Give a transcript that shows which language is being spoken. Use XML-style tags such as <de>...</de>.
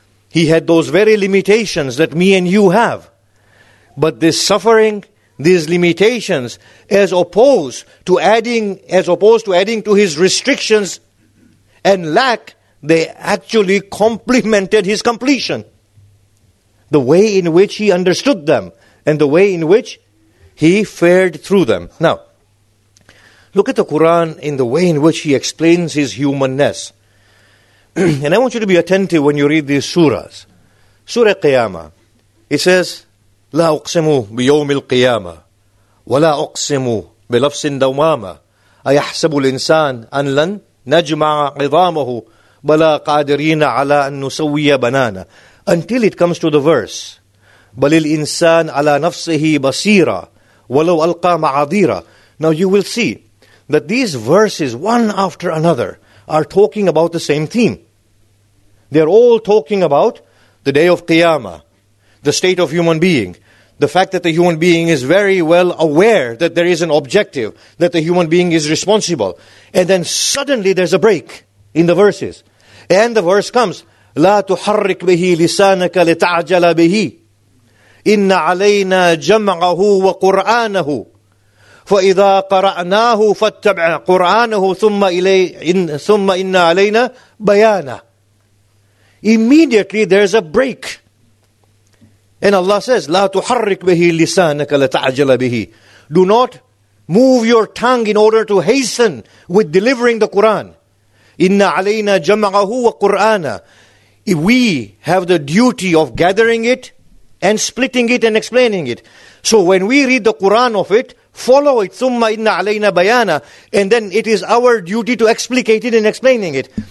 <en>He had those very limitations that me and you have. But this suffering, these limitations, as opposed to adding to his restrictions and lack, they actually complemented his completion. The way in which he understood them and the way in which he fared through them. Now, look at the Quran in the way in which he explains his humanness. And I want you to be attentive when you read these surahs. Surah Qiyamah, it says,</en> <ar>لا أقسم بيوم القيامة ولا أقسم بلفظ دوامة أيحسب الإنسان أن لن نجمع عظامه بلا قادرين على أن نسوي بنانا.</ar> <en>Until it comes to the verse,</en> <ar>بل الإنسان على نفسه بصيرة ولو ألقى معاذيرة.</ar> <en>Now you will see that these verses, one after another, are talking about the same theme. They're all talking about the day of Qiyamah, the state of human being, the fact that the human being is very well aware that there is an objective, that the human being is responsible. And then suddenly there's a break in the verses. And the verse comes,</en> <ar>لا تحرك به لسانك لتعجل به إن علينا جمعه وقرآنه فإذا قرأناه فاتبع قرآنه ثم إلي ثم إن علينا بيانا.</ar> <en>Immediately there's a break. And Allah says,</en> <ar>لا تحرك به لسانك لتعجل به.</ar> <en>Do not move your tongue in order to hasten with delivering the Quran.</en> <ar>إن علينا جمعه وقرآنا.</ar> <en>We have the duty of gathering it and splitting it and explaining it. So when we read the Quran of it, follow it,</en> <ar>ثُمَّ إِنَّ عَلَيْنَا بَيَانَا,</ar> <en>and then it is our duty to explicate it and explaining it.</en>